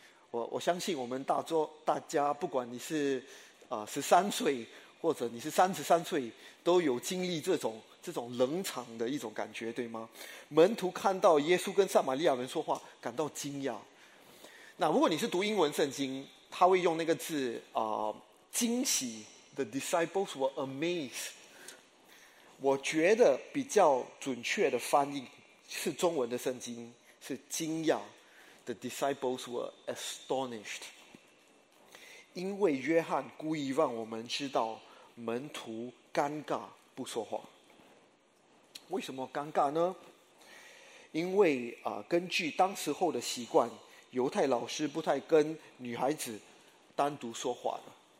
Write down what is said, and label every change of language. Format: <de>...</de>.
<zh>我相信我们大家，不管你是13岁，或者你是33岁，都有经历这种冷场的一种感觉，对吗？门徒看到耶稣跟撒玛利亚人说话感到惊讶。那如果你是读英文圣经，他会用那个字惊喜</zh> <en>The disciples were amazed.</en> <zh>我觉得比较准确的翻译是中文的圣经是惊讶。</zh> <en>The disciples were astonished.</en> <zh>因为约翰故意让我们知道门徒尴尬不说话。为什么尴尬呢？因为根据当时候的习惯，犹太老师不太跟女孩子单独说话的。</zh>